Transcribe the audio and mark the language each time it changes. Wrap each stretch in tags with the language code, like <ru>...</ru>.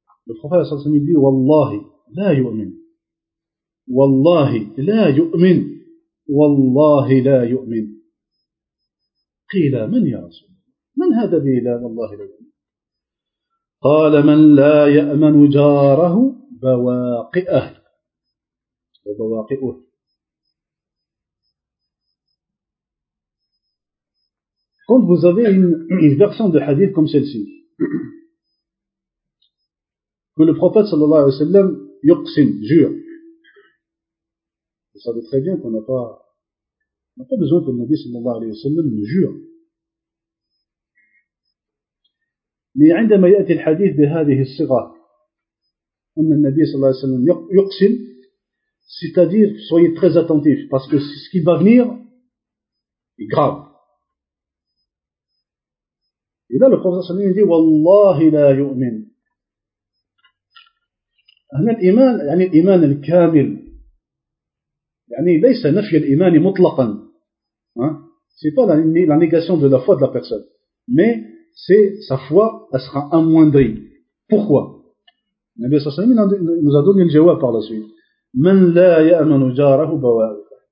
<ar>الخفاء صلى الله عليه وسلم يقول والله لا يؤمن والله لا يؤمن والله لا يؤمن قيل من يا رسول الله من هذا الذي لا والله لا يؤمن قال من لا يأمن جاره بواقئه وبواقئه</ar> <fr>quand vous avez une version de hadith comme celle-ci que le prophète</fr> <ar>صلى الله عليه وسلم يقسم</ar> <fr>jure. Vous savez très bien qu'on n'a pas besoin que le Nabi sallallahu alayhi wa sallam nous jure. Mais quand il y a le hadith de</fr> <ar>هذه الصغة, أن النبي صلى الله عليه وسلم يقسم,</ar> <fr>c'est-à-dire, soyez très attentifs, parce que ce qui va venir est grave. Et là, le prophète sallallahu alayhi wa sallam dit,</fr> <ar>والله لا يؤمن. هنا الإيمان, يعني الإيمان الكامل. يعني ليس نفي الإيمان مطلقا</ar> <fr>c'est pas la négation de la foi de la personne mais c'est sa foi elle sera amoindrie pourquoi</fr> <ar>النبي صلى الله عليه وسلم</ar> <fr>nous a donné le jawab par la suite</fr> <ar>من لا يأمن جاره بواقئه</ar>